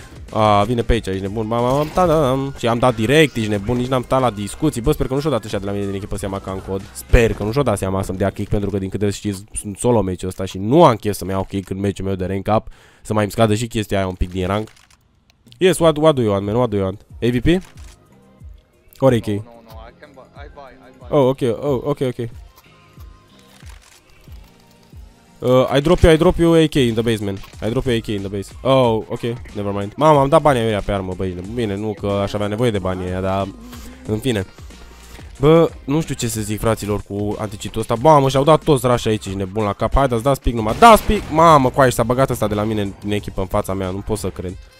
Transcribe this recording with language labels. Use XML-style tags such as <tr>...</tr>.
<ro>A, vine pe aici, ești nebun. Și am dat direct, ești nebun, nici n-am dat la discuții. Bă, sper că nu și-o dat așa de la mine din echipă seama ca în cod. Sper că nu și-o dat seama să-mi dea kick, pentru că din câte știți, sunt solo meciul ăsta și nu am chef să-mi iau kick în meciul meu de rank up. Să mai îmi scadă și chestia aia un pic din rank.</ro> <en>Yes, what do you want, man? What do you want? AVP? Or AK? No, no, no, I buy. Oh, ok, oh, ok, ok. I drop you AK in the base, man. I drop you AK in the base. Oh, ok, never mind.</en> <ro>Mama, am dat banii aia pe armă, băi. Bine, nu că aș avea nevoie de banii aia, dar în fine. Bă, nu știu ce să zic, fraților, cu anticitul ăsta. Mamă, și-au dat toți rush aici, ești nebun la cap. Hai, dați pic numai. Dați pic. Mamă, cu aici s-a băgat ăsta de la mine în echipă în fața mea. Nu pot să cred.</ro>